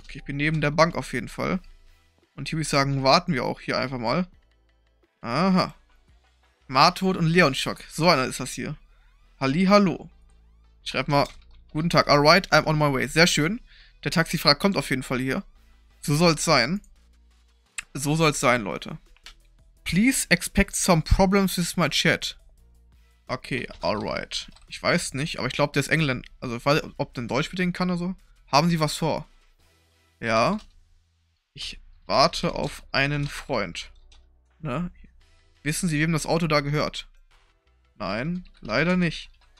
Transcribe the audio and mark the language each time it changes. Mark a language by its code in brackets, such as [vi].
[de] Okay, ich bin neben der Bank auf jeden Fall. Und hier würde ich sagen, warten wir auch hier einfach mal. Aha. Martod und Leonschock. So einer ist das hier. Hallihallo. Schreib mal, guten Tag. [en] Alright, I'm on my way. [de] Sehr schön. Der Taxifahrer kommt auf jeden Fall hier. So soll's sein. So soll's sein, Leute. [en] Please expect some problems with my chat. Okay, alright. [de] Ich weiß nicht, aber ich glaube, der ist Engländer. Also, ich weiß, ob der Deutsch bedingen kann oder so. Haben Sie was vor? Ja. Ich warte auf einen Freund. Ne? Wissen Sie, wem das Auto da gehört? Nein, leider nicht.